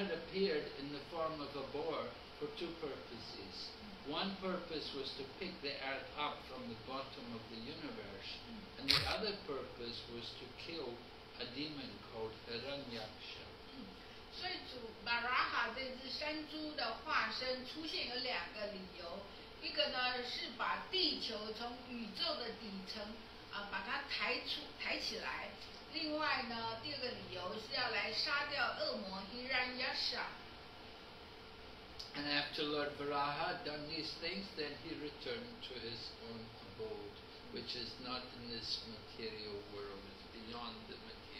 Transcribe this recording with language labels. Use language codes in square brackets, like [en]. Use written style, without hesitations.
[en] the Lord had appeared in the form of a boar for two purposes. One purpose was to pick the earth up from the bottom of the universe, and the other purpose was to kill a demon called Hiranyaksha. [zh] 所以主Varaha这只山猪的化身出现有两个理由，一个呢是把地球从宇宙的底层把它抬起来，另外呢第二个理由是要来杀掉恶魔Hiranyaksha。 [en] And after Lord Varaha done these things, then he returned to his own abode, which is not in this material world, it's beyond the material.